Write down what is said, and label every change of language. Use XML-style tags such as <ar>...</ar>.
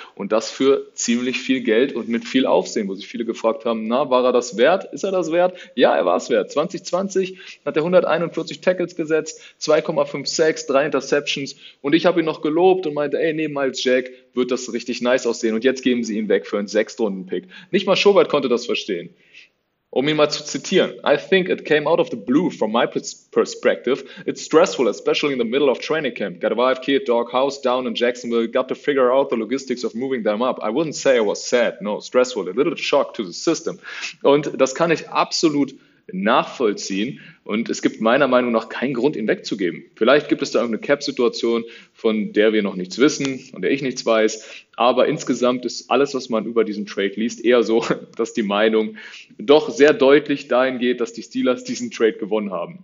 <de>Und das für ziemlich viel Geld und mit viel Aufsehen, wo sich viele gefragt haben, na, war er das wert? Ist er das wert? Ja, er war es wert. 2020 hat er 141 Tackles gesetzt, 2,5 Sacks, 3 Interceptions. Und ich habe ihn noch gelobt und meinte, ey, neben Miles Jack wird das richtig nice aussehen. Und jetzt geben sie ihn weg für einen 6-Runden-Pick. Nicht mal Schobert konnte das verstehen. Um ihn mal zu zitieren,</de> <en>I think it came out of the blue from my perspective. It's stressful, especially in the middle of training camp. Got a wife, kid, dog, house down in Jacksonville. Got to figure out the logistics of moving them up. I wouldn't say I was sad, no, stressful. A little shock to the system.</en> <de>Und das kann ich absolut nachvollziehen. Und es gibt meiner Meinung nach keinen Grund, ihn wegzugeben. Vielleicht gibt es da irgendeine Cap-Situation, von der wir noch nichts wissen, von der ich nichts weiß. Aber insgesamt ist alles, was man über diesen Trade liest, eher so, dass die Meinung doch sehr deutlich dahin geht, dass die Steelers diesen Trade gewonnen haben.</de>